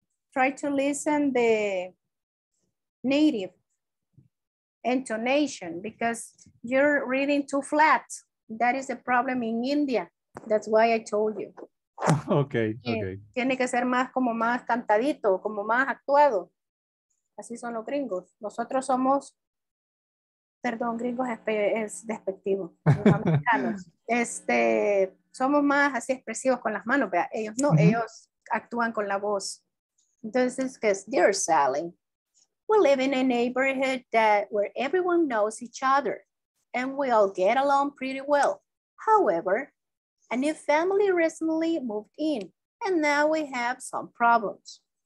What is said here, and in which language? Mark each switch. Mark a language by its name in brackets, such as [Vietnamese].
[English] Try to listen the native intonation because you're reading too flat. That is the problem in India. That's why I told you. Okay, okay. [Spanish] Tiene que ser más como más cantadito, como más actuado. Así son los gringos. Nosotros somos, perdón, gringos es despectivo. Los americanos. Somos más así expresivos con las manos, ¿verdad? Ellos no, uh-huh, ellos actúan con la voz. [English] Entonces, because, dear Sally, we live in a neighborhood that where everyone knows each other and we all get along pretty well. However, a new family recently moved in and now we have some problems.